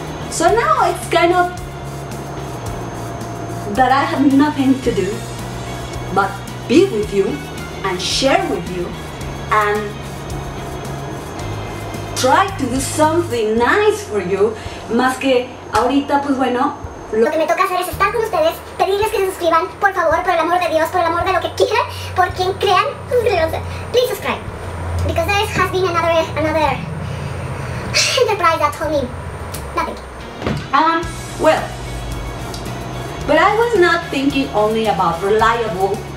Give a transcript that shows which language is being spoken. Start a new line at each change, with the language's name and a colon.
English: So now it's kind of that I have nothing to do but be with you and share with you and try to do something nice for you.
Spanish: Más que ahorita, pues bueno, lo que me toca hacer es estar con ustedes, pedirles que se suscriban, por favor, por el amor de Dios, por el amor de lo que quieran, por quien crean,
English: please subscribe. Because there has been another enterprise that told me nothing. Well, but I was not thinking only about reliable.